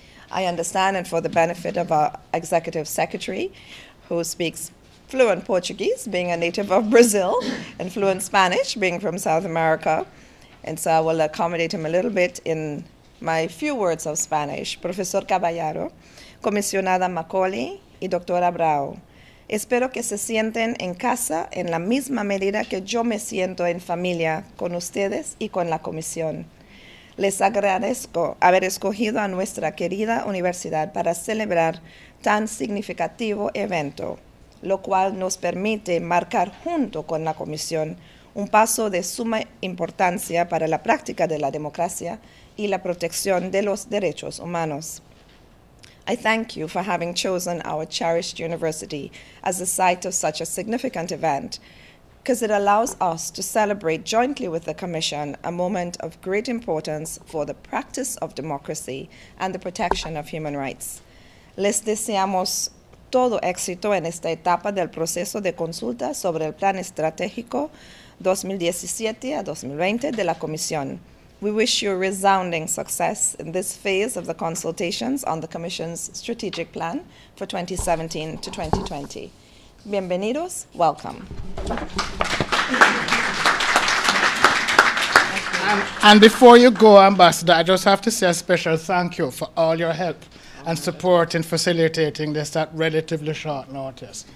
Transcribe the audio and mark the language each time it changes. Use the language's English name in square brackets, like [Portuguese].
[English] I understand, and for the benefit of our executive secretary, who speaks fluent Portuguese, being a native of Brazil, and fluent Spanish, being from South America, and so I will accommodate him a little bit in my few words of Spanish. [Spanish] Profesor Caballero, comisionada Macaulay y doctora Brau, espero que se sienten en casa en la misma medida que yo me siento en familia con ustedes y con la comisión. Les agradezco haber escogido a nuestra querida universidad para celebrar tan significativo evento, lo cual nos permite marcar junto con la comisión un paso de suma importancia para la práctica de la democracia y la protección de los derechos humanos. [English] I thank you for having chosen our cherished university as the site of such a significant event, because it allows us to celebrate jointly with the Commission a moment of great importance for the practice of democracy and the protection of human rights. [Spanish] Les deseamos todo éxito en esta etapa del proceso de consulta sobre el Plan Estratégico 2017-2020 de la Comisión. [English] We wish you resounding success in this phase of the consultations on the Commission's strategic plan for 2017 to 2020. [Spanish] Bienvenidos, [English] welcome. And before you go, Ambassador, I just have to say a special thank you for all your help and support in facilitating this at relatively short notice.